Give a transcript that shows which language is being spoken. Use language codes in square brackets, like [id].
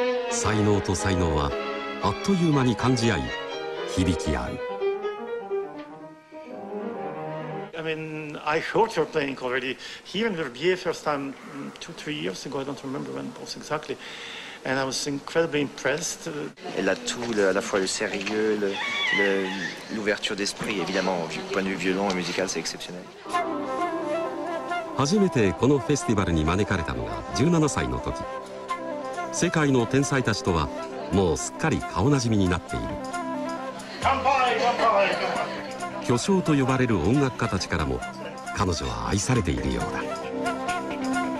[ja] 才能と才能はあっという間に感じ合い響き合う。 [en] I heard your playing already here in Verbier first time 2-3 years ago. I don't remember when it was exactly, and I was incredibly impressed. [fr] Elle a tout, à la fois le sérieux, l'ouverture d'esprit. Évidemment, du point de vue violon et musical, c'est exceptionnel. [ja] 初めてこのフェスティバルに招かれたのが17歳の時。世界の天才たちとはもうすっかり顔なじみになっている。乾杯、乾杯。巨匠と呼ばれる音楽家たちからも彼女は愛されているようだ。